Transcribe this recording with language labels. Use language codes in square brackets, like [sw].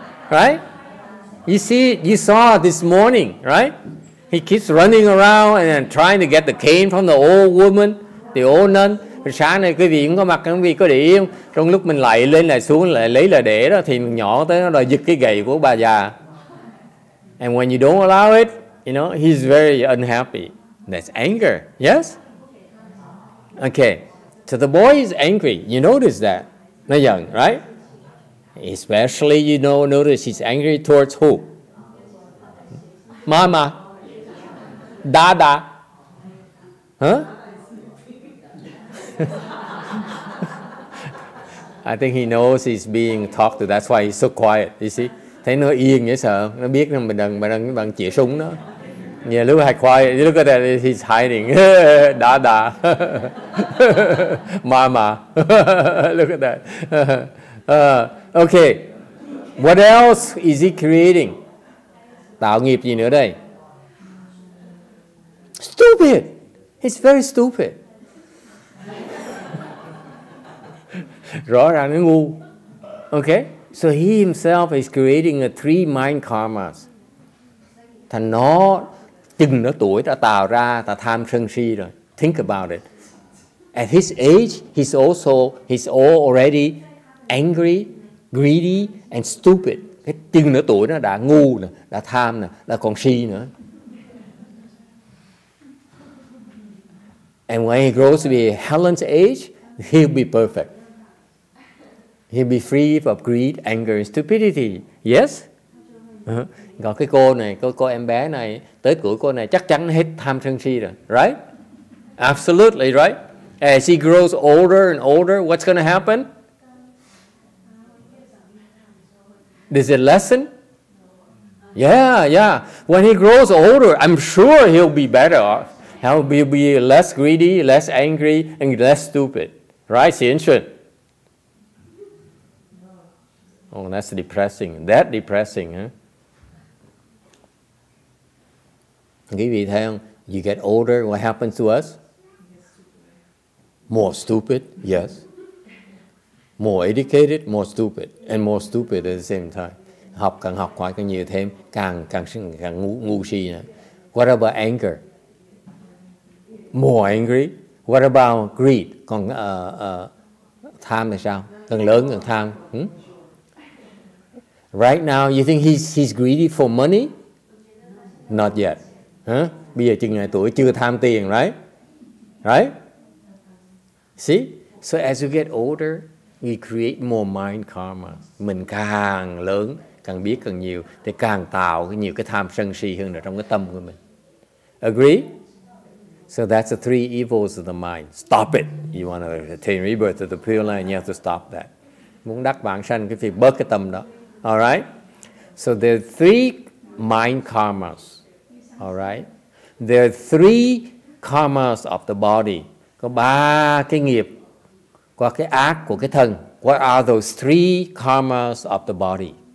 [en] Right? You saw this morning, right? He keeps running around and trying to get the cane from the old woman, the old nun. [vi] Sáng nay quý vị cũng có mặt, quý vị có để ý không? Trong lúc mình lại lên lại xuống lại lấy là để đó, thì nhỏ tới nó đòi giật cái gậy của bà già. [en] And when you don't allow it, you know, he's very unhappy. That's anger. Yes? Okay, so the boy is angry. You notice that. [vi] Nó giận, [en] right? Especially you know, notice he's angry towards who? Mama. Dada. Huh? I think he knows he's being talked to. That's why he's so quiet. You see? [vi] Thấy nó yên dễ sợ. Nó biết là mình đang chỉa súng nó. [en] Yeah, look how quiet. You look at that. He's hiding. Dada. Mama. Look at that. Okay. What else is he creating? [vi] Tạo nghiệp gì nữa đây? [en] Stupid. He's very stupid. [vi] Rõ ràng nó ngu. [en] Okay? So he himself is creating a three mind karmas. [vi] Thành nó, chừng nó tuổi đã tạo ra ta tham sân si rồi. [en] Think about it. At his age, he's already angry, greedy, and stupid. [vi] Cái chừng nó tuổi nó đã ngu, đã tham, đã còn si nữa. [en] And when he grows to be Helen's age, he'll be perfect. He'll be free of greed, anger, and stupidity. Yes? [vi] Còn cái cô này, cô em bé này, tới tuổi cô này chắc chắn hết tham sân si rồi. [en] Right? Absolutely, right? As he grows older and older, what's going to happen? Is it lessen? Yeah. When he grows older, I'm sure he'll be better off. He'll be less greedy, less angry, and less stupid. Right, Xin Xuân? Oh, that's depressing. That depressing, huh? [vi] Quý vị thấy không? [en] You get older, what happens to us? More stupid, yes. More educated, more stupid. And more stupid at the same time. [vi] Học càng học hỏi càng nhiều thêm, càng ngu si nữa. [en] What about anger? More angry. What about greed? [vi] Còn tham thì sao? Càng lớn càng tham. Hmm? [en] Right now, you think he's greedy for money? Not yet. Huh? [vi] Bây giờ chừng này tuổi chưa tham tiền, right? [en] Right? See? So as you get older, we create more mind karma. [vi] Mình càng lớn, càng biết càng nhiều, thì càng tạo nhiều cái tham sân si hơn ở trong cái tâm của mình. [en] Agree? So that's the three evils of the mind. Stop it. You want to attain rebirth of the Pure Land, you have to stop that. [vi] Muốn đắc vãng sanh, cái việc bớt cái tâm đó. [en] All right? So there are three mind karmas. All right? There are three karmas of the body. [vi] Có ba cái nghiệp qua cái ác của cái thân. [en] What are those three karmas of the body?